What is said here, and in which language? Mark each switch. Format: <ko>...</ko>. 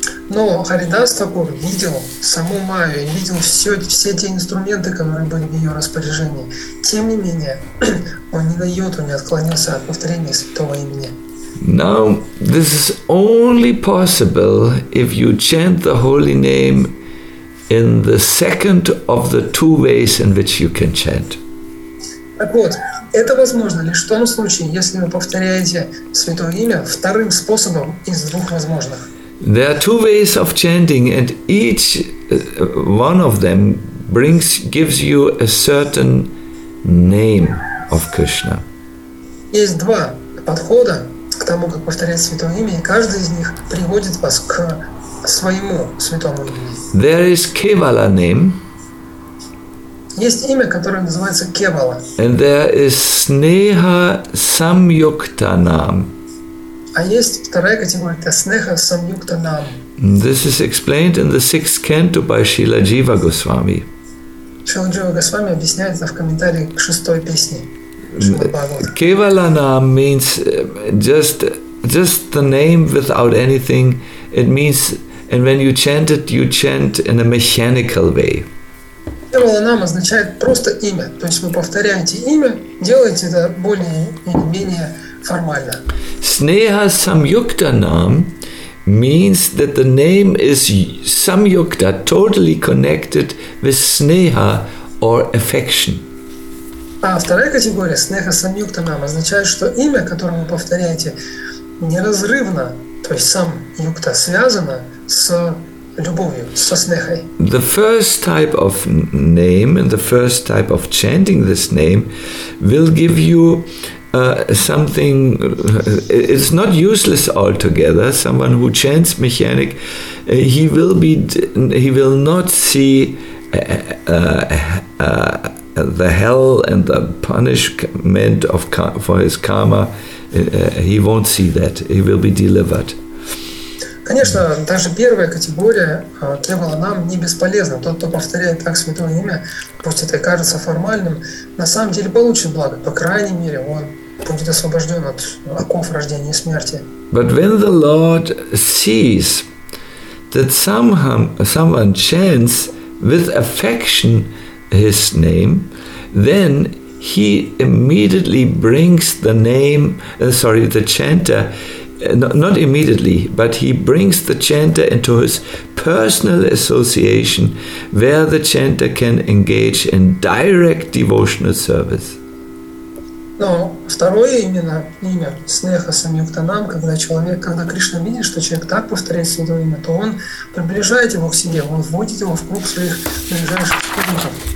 <ru>Но Харидас Такур видел саму Майю, видел все те инструменты, которые были в ее распоряжении. Тем не менее, он ни на йоту не отклонился от повторения святого имени.</ru> <en>Now, this is only possible if you chant the holy name in the second of the two ways in which you can chant.</en> <ru>Так вот, это возможно лишь в том случае, если вы повторяете святое имя вторым способом из двух возможных.</ru> <en>There are two ways of chanting, and each one of them gives you a certain name of Krishna.</en> <ru>Есть два подхода к тому, как повторять святое имя, и каждый из них приводит вас к своему святому имени.</ru> <en>There is Kevala name.</en> <ru>Есть имя, которое называется Kevala.</ru> <en>And there is Sneha Samyukta name.</en> <ru>А есть вторая категория, это Sneha Samyukta name.</ru> <en>This is explained in the sixth canto by Srila Jiva Goswami.</en> <ru>Srila Jiva Goswami объясняет это в комментарии к шестой песне.</ru> <en>Kevala name means just the name without anything. It means, and when you chant it, you chant in a mechanical way.</en> <ru>Kevala name означает просто имя. То есть вы повторяете имя, делаете это более или менее формально.</ru> <en>Sneha Samyukta name means that the name is Samyukta, totally connected with Sneha or affection.</en> <ru>А вторая категория, Sneha Samyukta name, означает, что имя, которое вы повторяете, неразрывно, то есть сам Юкта, связано с любовью, со Снехой.</ru> <en>The first type of name and the first type of chanting this name will give you something, it's not useless altogether. Someone who chants mechanic, he will not see the hell and the punishment of for his karma. He won't see that. He will be delivered.</en> <ru>Конечно, даже первая категория требовала нам не бесполезна. Тот, кто повторяет так святое имя, пусть это и кажется формальным, на самом деле получит благо. По крайней мере, он будет освобожден от оков рождения и смерти.</ru> <en>But when the Lord sees that someone chants with affection his name, then he immediately brings the name, the chanter, not immediately, but he brings the chanter into his personal association, where the chanter can engage in direct devotional service.</en> <ru>Но второе именно имя Снеха Самьюкта Нам, когда Кришна видит, что человек так повторяет святое имя, то он приближает его к себе, он вводит его в круг своих ближайших спутников.</ru>